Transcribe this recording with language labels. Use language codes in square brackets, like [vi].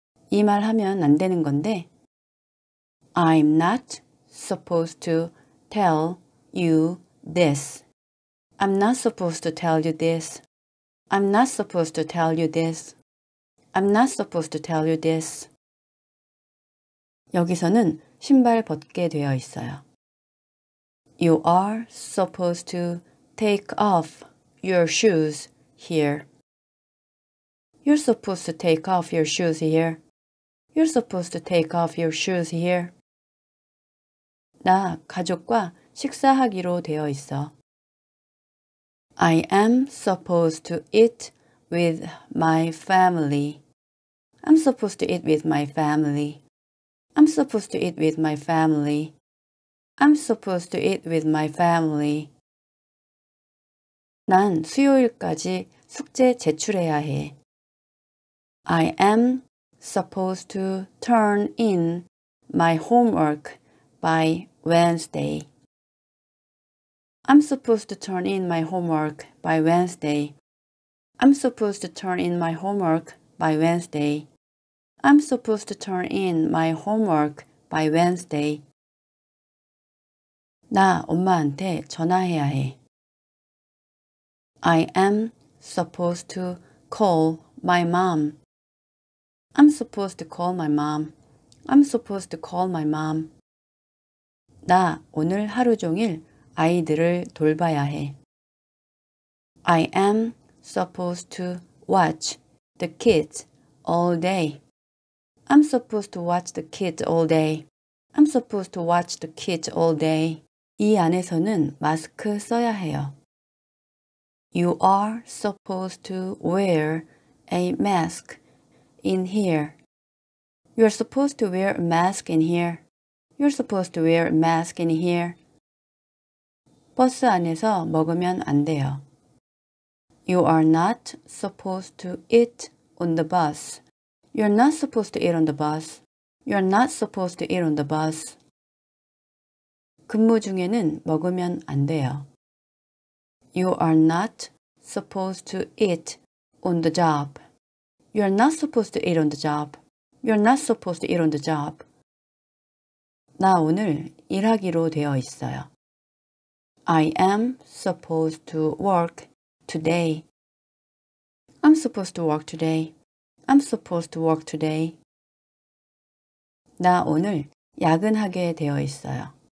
[ko] 이 말 하면 안 되는 건데. [en] I'm not supposed to tell you this. I'm not supposed to tell you this. I'm not supposed to tell you this. I'm not supposed to tell you this. [ko] 여기서는 신발 벗게 되어 있어요. [en] You are supposed to take off your shoes here. You're supposed to take off your shoes here. You're supposed to take off your shoes here. [ko] 나 가족과 식사하기로 되어 있어. [en] I am supposed to eat with my family. I'm supposed to eat with my family. I'm supposed to eat with my family. I'm supposed to eat with my family. [ko] 난 수요일까지 숙제 제출해야 해. [en] I am supposed to turn in my homework by Wednesday. I'm supposed to turn in my homework by Wednesday. I'm supposed to turn in my homework by Wednesday. I'm supposed to turn in my homework by Wednesday. [ko] 나 엄마한테 전화해야 해. [en] I am supposed to call my mom. I'm supposed to call my mom. I'm supposed to call my mom. [ko] 나 오늘 하루 종일 아이들을 돌봐야 해. [en] I am supposed to watch the kids all day. I'm supposed to watch the kids all day. I'm supposed to watch the kids all day. [ko] 이 안에서는 마스크 써야 해요. [en] You are supposed to wear a mask in here. You're supposed to wear a mask in here. You're supposed to wear a mask in here. [ko] 버스 안에서 먹으면 안 돼요. [en] You are not supposed to eat on the bus. You're not supposed to eat on the bus. You're not supposed to eat on the bus. [ko] 근무 중에는 먹으면 안 돼요. [en] You are not supposed to eat on the job. You're not supposed to eat on the job. You're not supposed to eat on the job. [ko] 나 오늘 일하기로 되어 있어요. [en] I am supposed to work today. I'm supposed to work today. I'm supposed to work today. [ko] 나 오늘 야근하게 되어 있어요.